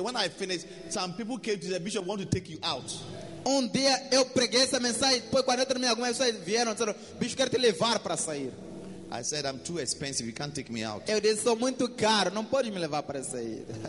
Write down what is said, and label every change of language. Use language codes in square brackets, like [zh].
[en] When I finished, some people came to the bishop, want to take you out. [pt] Um dia eu preguei essa mensagem, depois 40 minutos algumas pessoas vieram e disseram, bicho, quero te levar para sair. [en] I said, I'm too expensive, you can't take me out. [pt] Eu disse, sou muito caro, não pode me levar para sair.